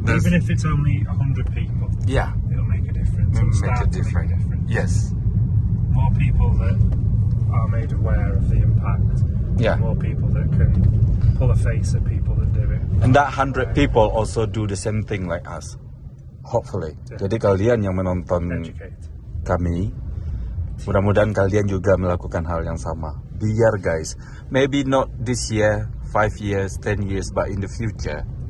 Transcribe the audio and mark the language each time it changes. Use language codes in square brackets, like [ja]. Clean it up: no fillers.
[en] Even if it's only 100 people. Yeah. It'll make a difference. It'll make a difference. Yes. More people that are made aware of the impact. Yeah. More people that can pull a face at people that do it. And that 100 people also do the same thing like us. Hopefully. Yeah. [id] Jadi kalian yang menonton kami, mudah-mudahan kalian juga melakukan hal yang sama. [en] Biar guys, maybe not this year, 5 years, 10 years, but in the future,